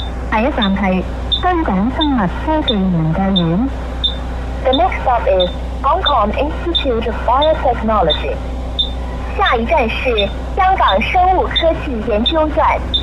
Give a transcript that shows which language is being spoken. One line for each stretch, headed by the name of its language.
Chinese: 下一站是香港生物科技研究院。
English: The next stop is Hong Kong Institute of Biotechnology.
Chinese: 下一站是香港生物科技研究院。